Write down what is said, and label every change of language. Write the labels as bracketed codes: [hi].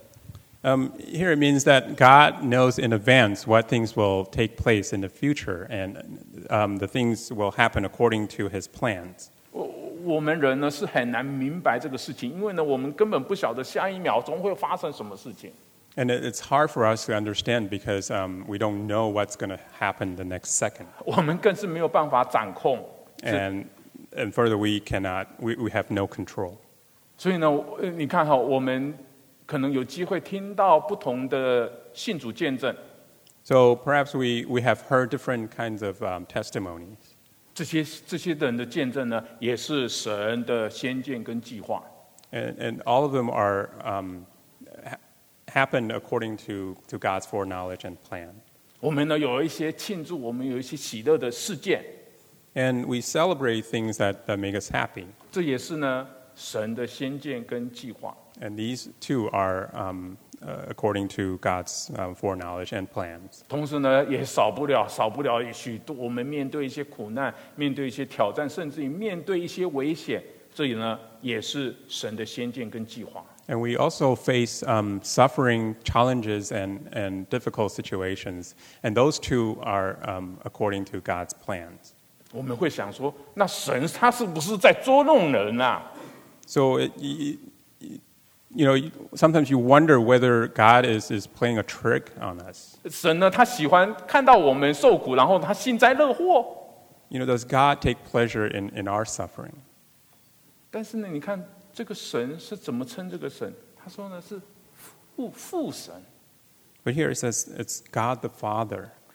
[en] it means that God knows in advance what things will take place in the future, and the things will happen according to His plans. [zh] 我们人呢是很难明白这个事情，因为呢，我们根本不晓得下一秒钟会发生什么事情。 [en] And it's hard for us to understand because we don't know what's going to happen the next second. [zh] 我们更是没有办法掌控, [en] and further, we cannot, we have no control. [zh] 所以呢, 你看好, 我们可能有机会听到不同的信主见证。 [en] So perhaps we have heard different kinds of testimonies. [zh] 这些人的见证呢, 也是神的先见跟计划。 [en] And all of them are happened according to God's foreknowledge and plan. [zh] 我们呢有一些庆祝，我们有一些喜乐的事件。 [en] And we celebrate things that make us happy. [zh] 这也是呢神的先见跟计划。 [en] And these two are according to God's foreknowledge and plans. [zh] 同时呢也少不了许多我们面对一些苦难，面对一些挑战，甚至于面对一些危险。这里呢也是神的先见跟计划。 [en] And we also face suffering, challenges, and difficult situations. And those two are according to God's plans. [zh] 我们会想说, 那神他是不是在捉弄人啊? [en] So, you know, sometimes you wonder whether God is playing a trick on us. [zh] 神呢, 他喜欢看到我们受苦, 然后他幸灾乐祸。 [en] You know, does God take pleasure in our suffering? [zh] 但是呢, 你看, 这个神是怎么称这个神? 他说呢是父神。 [en] But here it says it's God the Father.